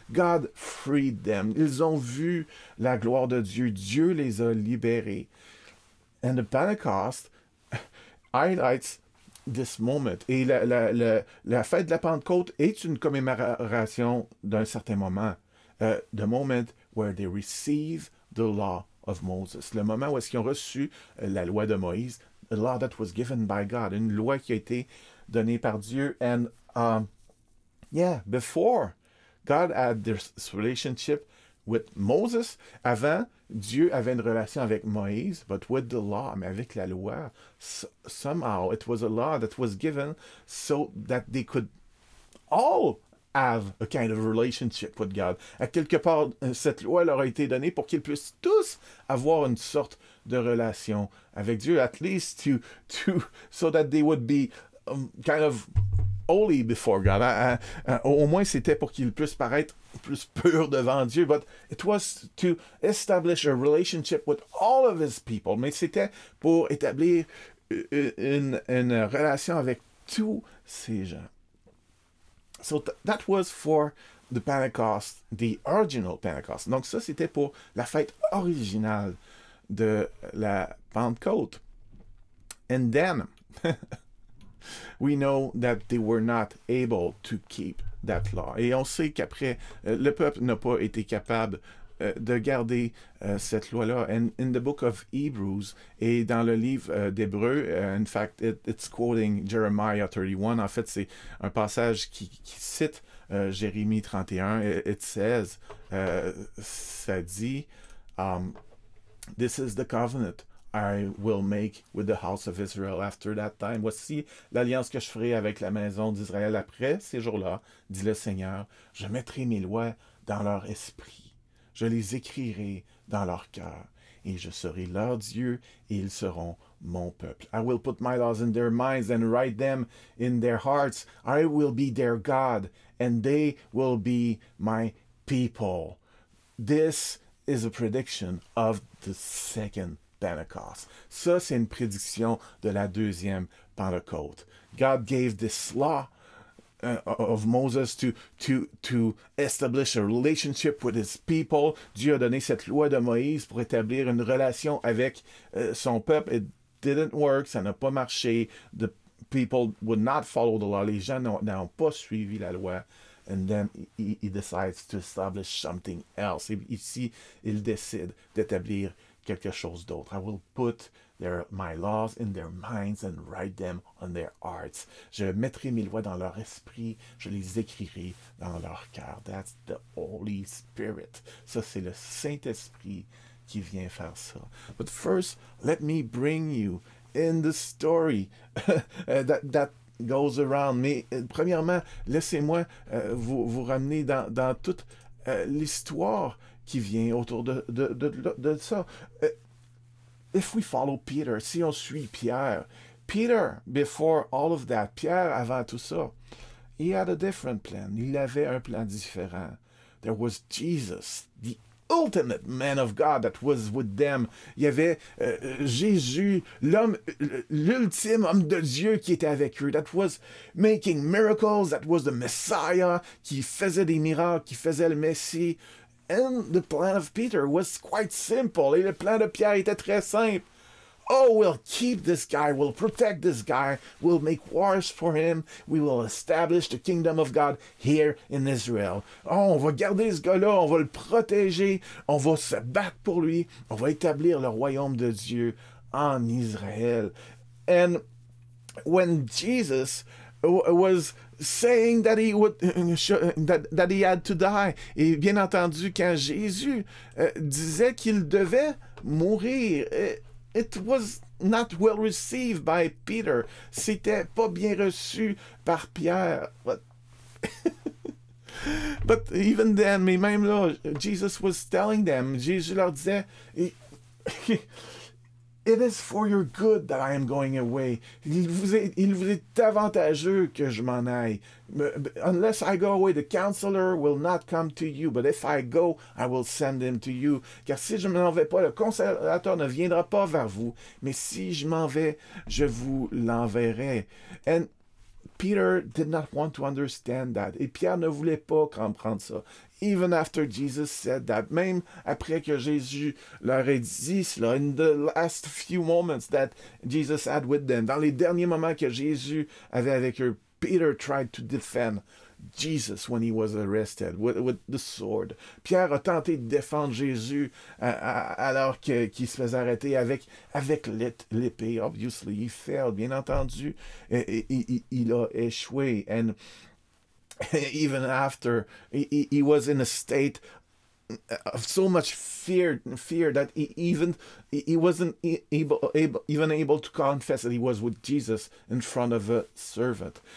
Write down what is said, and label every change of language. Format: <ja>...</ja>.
<en>God freed them.</en> <fr>Ils ont vu la gloire de Dieu. Dieu les a libérés.</fr> <en>And the Pentecost highlights this moment.</en> <fr>Et la fête de la Pentecôte est une commémoration d'un certain moment.</fr> <en>The moment where they receive the law of Moses.</en> <fr>Le moment où est-ce qu'ils ont reçu la loi de Moïse.</fr> <en>The law that was given by God.</en> <fr>Une loi qui a été donnée par Dieu.</fr> <en>And before God had this relationship with Moses.</en> <fr>Avant, Dieu avait une relation avec Moïse,</fr> <en>but with the law,</en> <fr>mais avec la loi,</fr> <en>somehow it was a law that was given so that they could all have a kind of relationship with God.</en> <fr>À quelque part, cette loi leur a été donnée pour qu'ils puissent tous avoir une sorte de relation avec Dieu,</fr> <en>at least to so that they would be kind of holy before God.</en> <fr>Au moins, c'était pour qu'ils puissent paraître plus purs devant Dieu.</fr> <en>But it was to establish a relationship with all of his people.</en> <fr>Mais c'était pour établir une relation avec tous ces gens.</fr> <en>So that was for the Pentecost, the original Pentecost.</en> <fr>Donc ça, c'était pour la fête originale de la Pentecôte.</fr> <en>And then we know that they were not able to keep that law.</en> <fr>Et on sait qu'après, le peuple n'a pas été capable de garder cette loi-là.</fr> <en>And in the book of Hebrews,</en> <fr>et dans le livre d'Hébreux,</fr> <en>in fact, it's quoting Jeremiah 31.</en> <fr>En fait, c'est un passage qui cite Jérémie 31.</fr> <en>It says,</en> <fr>ça dit,</fr> <en>this is the covenant I will make with the house of Israel after that time.</en> <fr>Voici l'alliance que je ferai avec la maison d'Israël après ces jours-là, dit le Seigneur. Je mettrai mes lois dans leur esprit. Je les écrirai dans leur cœur et je serai leur Dieu et ils seront mon peuple.</fr> <en>I will put my laws in their minds and write them in their hearts. I will be their God and they will be my people. This is a prediction of the second Pentecost.</en> <fr>Ça, c'est une prédiction de la deuxième Pentecôte.</fr> <en>God gave this law of Moses to establish a relationship with his people.</en> <fr>Dieu a donné cette loi de Moïse pour établir une relation avec son peuple.</fr> <en>It didn't work.</en> <fr>Ça n'a pas marché.</fr> <en>The people would not follow the law.</en> <fr>Les gens n'ont pas suivi la loi.</fr> <en>And then he decides to establish something else.</en> <fr>Et ici, il décide d'établir quelque chose d'autre.</fr> <en>I will put my laws in their minds and write them on their hearts.</en> <fr>Je mettrai mes lois dans leur esprit, je les écrirai dans leur cœur.</fr> <en>That's the Holy Spirit.</en> <fr>Ça, c'est le Saint-Esprit qui vient faire ça.</fr> <en>But first, let me bring you in the story that goes around.</en> <fr>Mais premièrement, laissez-moi vous ramener dans toute l'histoire qui vient autour de ça.</fr> <en>If we follow Peter,</en> <fr>si on suit Pierre,</fr> <en>Peter, before all of that,</en> <fr>Pierre, avant tout ça,</fr> <en>he had a different plan.</en> <fr>Il avait un plan différent.</fr> <en>There was Jesus, the ultimate man of God that was with them.</en> <fr>Il y avait Jésus, l'homme, l'ultime homme de Dieu qui était avec eux,</fr> <en>that was making miracles, that was the Messiah,</en> <fr>qui faisait des miracles, qui faisait le Messie.</fr> <en>And the plan of Peter was quite simple.</en> <fr>Et le plan de Pierre était très simple.</fr> <en>Oh, we'll keep this guy. We'll protect this guy. We'll make wars for him. We will establish the kingdom of God here in Israel.</en> <fr>Oh, on va garder ce gars-là. On va le protéger. On va se battre pour lui. On va établir le royaume de Dieu en Israël.</fr> <en>And when Jesus was saying that he would that he had to die.</en> <fr>Et bien entendu, quand Jésus disait qu'il devait mourir,</fr> <en>it was not well received by Peter.</en> <fr>C'était pas bien reçu par Pierre.</fr> <en>But even then,</en> <fr>mais même là,</fr> <en>Jesus was telling them,</en> <fr>Jésus leur disait,</fr> <en>it is for your good that I am going away.</en> <fr>Il vous est avantageux que je m'en aille.</fr> <en>Unless I go away, the counselor will not come to you. But if I go, I will send him to you.</en> <fr>Car si je m'en vais pas, le consolateur ne viendra pas vers vous. Mais si je m'en vais, je vous l'enverrai.</fr> <en>And Peter did not want to understand that.</en> <fr>Et Pierre ne voulait pas comprendre ça.</fr> <en>Even after Jesus said that,</en> <fr>même après que Jésus leur ait dit cela,</fr> <en>in the last few moments that Jesus had with them,</en> <fr>dans les derniers moments que Jésus avait avec eux,</fr> <en>Peter tried to defend Jesus when he was arrested with the sword.</en> <fr>Pierre a tenté de défendre Jésus alors qu'il se faisait arrêter avec l'épée.</fr> <en>Obviously, he failed,</en> <fr>bien entendu. Il a échoué.</fr> <en>And even after he was in a state of so much fear that he wasn't able to confess that he was with Jesus in front of a servant.</en>